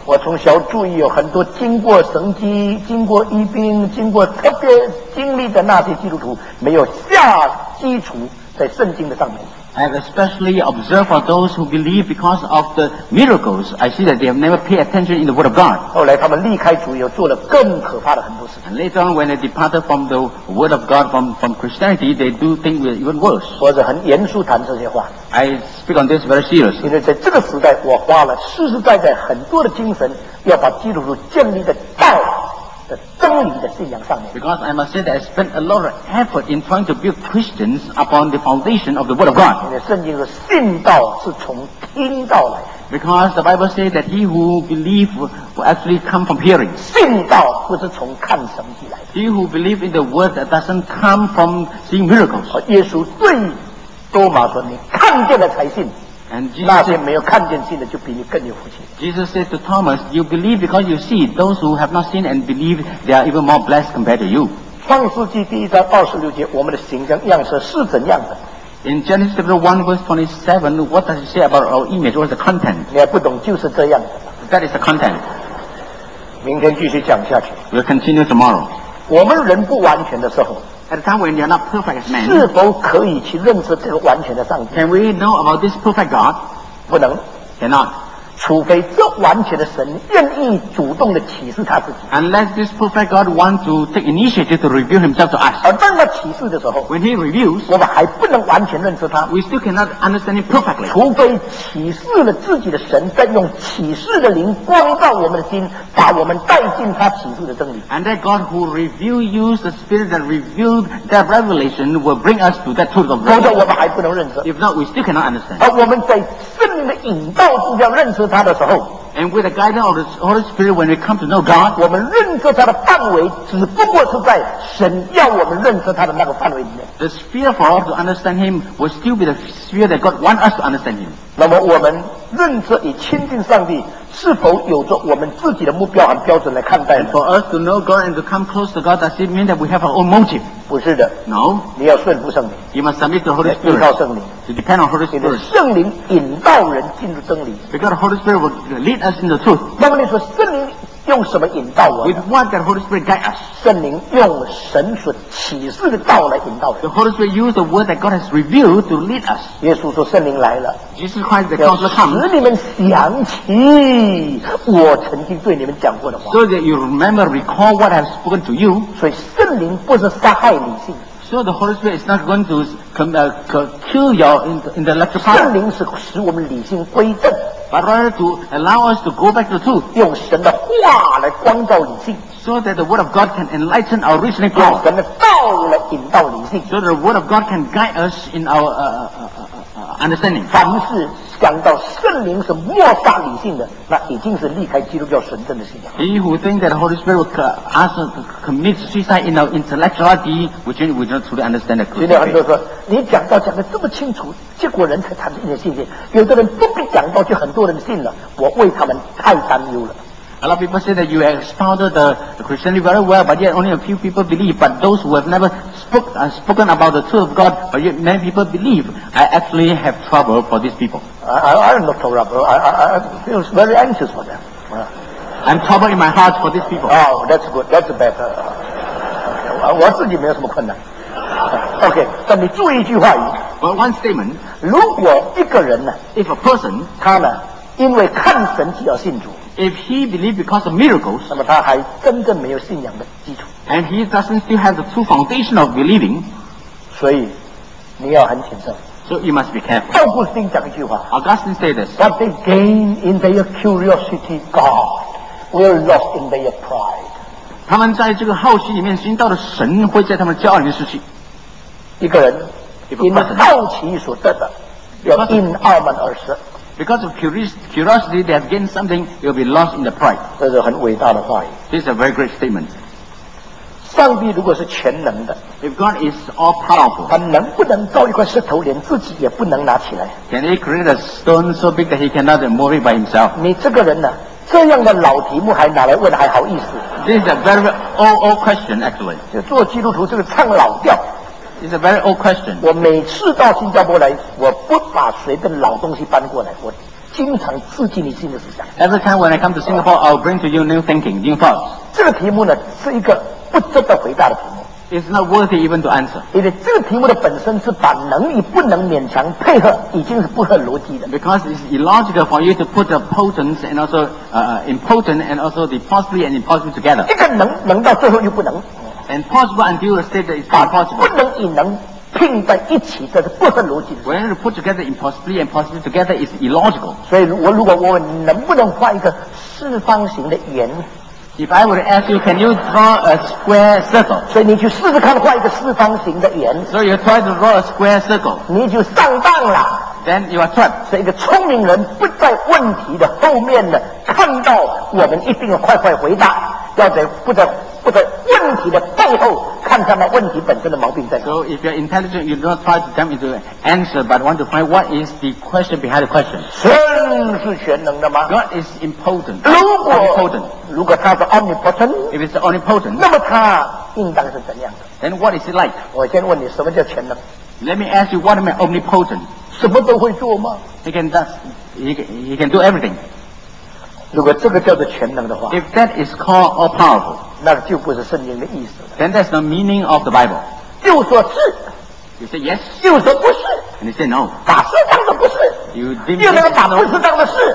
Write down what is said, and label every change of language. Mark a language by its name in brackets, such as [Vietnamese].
[Chinese] 我从小注意有很多经过神迹、经过医病、经过特别经历的那些基督徒，没有下基础在圣经的上面。 [English] I have especially observed for those who believe because of the miracles, I see that they have never paid attention in the Word of God. [Chinese] 后来他们离开主以后做了更可怕的很多事情。 [English] And later on, when they departed from the Word of God, from Christianity, they do things even worse. [Chinese] 或者很严肃谈这些话。 [English] I speak on this very seriously. [Chinese] 因为在这个时代，我花了实实在在很多的精神，要把基督徒建立的道的真理的信仰上面。 [English] Because I must say that I spent a lot of effort in trying to build Christians upon the foundation of the Word of God. [Chinese] 因为圣经是信道是从听道来的。 [English] Because the Bible says that he who believes will actually come from hearing. [Chinese] 信道不是从看神迹来的。 [English] He who believes in the Word doesn't come from seeing miracles. [Chinese] 耶稣对多马说：“你看见了才信。” [English] And [Chinese] Jesus 那些没有看见信的就比你更有福气。 [English] Jesus said to Thomas, you believe because you see. Those who have not seen and believe, they are even more blessed compared to you. [Chinese] 创世纪第一章二十六节，我们的形象样式是怎样的？ [English] In Genesis chapter 1 verse 27, what does it say about our image? What is the content? [Chinese] 你还不懂，就是这样的。 [English] That is the content. [Chinese] 明天继续讲下去。 [English] We'll continue tomorrow. [Chinese] 我们人不完全的时候， [English] At a time when you are not perfect as man, [Chinese] 是否可以去认识这个完全的上帝？ [English] Can we know about this perfect God? [Chinese] 不能。 [English] Cannot. [Chinese] 除非这完全的神愿意主动地启示他自己。 [English] Unless this perfect God wants to take initiative to reveal himself to us. [Chinese] 而当他启示的时候， [English] When he reveals, [Chinese] 我们还不能完全认识他。 [English] We still cannot understand him perfectly. [Chinese] 除非启示了自己的神，再用启示的灵光照我们的心，把我们带进他启示的真理。 [English] And that God who reveals you, the spirit that revealed that revelation will bring us to that truth of revelation. [Chinese] 否则我们还不能认识。 [English] If not, we still cannot understand. [Chinese] 而我们在圣的引导之下认识他的时候， [English] And with the guidance of the Holy Spirit, when we come to know God, [Chinese] 我们认识他的范围只不过是在神要我们认识他的那个范围里面。 [English] The sphere for us to understand him will still be the sphere that God wants us to understand him. [Chinese] 那么我们认识与亲近上帝是否有着我们自己的目标和标准来看待呢？ [English] And for us to know God and to come close to God, does it mean that we have our own motive? [Chinese] 不是的。 [English] No. [Chinese] 你要顺服圣灵。 [English] You must submit to Holy Spirit. [Chinese] 依靠圣灵。 [English] To depend on Holy Spirit. [Chinese] 你的圣灵引导人进入真理。 [English] Because the Holy Spirit will lead us into truth. [Chinese] 那么你说圣灵用什么引导我？ [English] With what can Holy Spirit guide us? [Chinese] 圣灵用神所启示的道来引导人。 [English] The Holy Spirit used the word that God has revealed to lead us. [Chinese] 耶稣说圣灵来了。 [English] Jesus Christ, the Counselor, comes. [Chinese] 使你们想起我曾经对你们讲过的话。 [English] So that you remember, recall what I have spoken to you. [Chinese] 所以圣灵不是杀害理性。 [English] So the Holy Spirit is not going to kill your intellectual power. [Chinese] 圣灵是使我们理性归正。 [English] but rather to allow us to go back to the truth. [Chinese] 用神的话来光照理性。 [English] So that the word of God can enlighten our reasoning power. [Chinese] 用神的道来引导理性。 [English] So that the word of God can guide us in our understanding. [Chinese] 凡是想到圣灵是抹杀理性的，那已经是离开基督教神圣的信仰。 [English] He who thinks that the Holy Spirit will ask us to commit suicide in our intellectuality, which we do not truly understand the truth. [Chinese] 今天很多人说，你讲到讲得这么清楚，结果人才产生一点信心。有的人不必讲到，就很多人信了。我为他们太担忧了。 [English] A lot of people say that you expounded the Christianity very well, but yet only a few people believe. But those who have never spoken about the truth of God, but yet many people believe, I actually have trouble for these people. I'm not troubled. I feel very anxious for them. I'm troubled in my heart for these people. Oh, that's good. That's better. Okay, [Chinese] 我自己没有什么困难。 Okay, 但你注意一句话语。 [English] But one statement. [Chinese] 如果一个人呢 [English] ，if a person， [Chinese] 他呢，因为看神迹而信主。 [English] If he believes because of miracles, [Chinese] 那么他还真正没有信仰的基础。 [English] And he doesn't still have the true foundation of believing. [Chinese] 所以你要很谨慎。 [English] So you must be careful. [Chinese] 奥古斯丁讲一句话。 [English] Augustine said this. What they gain in their curiosity, God will lose in their pride. [Chinese] 他们在这个好奇里面寻到的神会在他们骄傲里面失去。一个人因好奇所得的，要因傲慢而失。 [English] Because of curiosity, they have gained something, it will be lost in the pride. [Chinese] 这是很伟大的话语。 [English] This is a very great statement. [Chinese] 上帝如果是全能的， [English] if God is all powerful, [Chinese] 他能不能造一块石头，连自己也不能拿起来？ [English] Can he create a stone so big that he cannot move it by himself? [Chinese] 你这个人呢，这样的老题目还拿来问，还好意思？ [English] This is a very old question, actually. [Chinese] 就做基督徒这个唱老调。 [English] It's a very old question. [Chinese] 我每次到新加坡来，我不把谁的老东西搬过来，我经常刺激你新的思想。 [English] Every time when I come to Singapore, I'll bring to you new thinking, new thoughts. [Chinese] 这个题目呢，是一个不值得回答的题目。 [English] It's not worthy even to answer. [Chinese] 因为这个题目的本身是把能与不能勉强配合，已经是不合逻辑的。 [English] Because it's illogical for you to put the potent and also impotent and also the possibly and impossible together. [Chinese] 一个能到最后又不能。 [English] And possible until a state that is impossible. [Chinese] 不能与能拼在一起，这是不合逻辑的。 [English] When you put together impossibly and possibly together, it's illogical. [Chinese] 所以我如果我问你能不能画一个四方形的圆 [English] ，If I were to ask you, can you draw a square circle? [Chinese] 所以你去试试看画一个四方形的圆。 [English] So you try to draw a square circle. [Chinese] 你就上当了。 [English] Then you are trapped. [Chinese] 所以一个聪明人不在问题的后面的看到，我们一定要快快回答，要在不在。或者问题的背后看他们问题本身的毛病在哪。 [English] So if you're intelligent, you don't try to jump into answer, but want to find what is the question behind the question. [Chinese] 神是全能的吗？ [English] God is impotent. [Chinese] 如果他是 omnipotent, [English] if it's omnipotent, [Chinese] 那么他应当是怎样的？ [English] Then what is it like? [Chinese] 我先问你什么叫全能。 [English] Let me ask you, what am I omnipotent? [Chinese] 什么都会做吗？ [English] He can do everything. [Chinese] 如果这个叫做全能的话， [English] if that is called all powerful, [Chinese] 那就不是圣经的意思了。 [English] Then that's the meaning of the Bible. [Chinese] 就说是。 [English] You say yes. [Chinese] 就说不是。 [English] And you say no. [Chinese] 把是当作不是。 [English] You didn't. 又 [Chinese] 那个把不是当作是。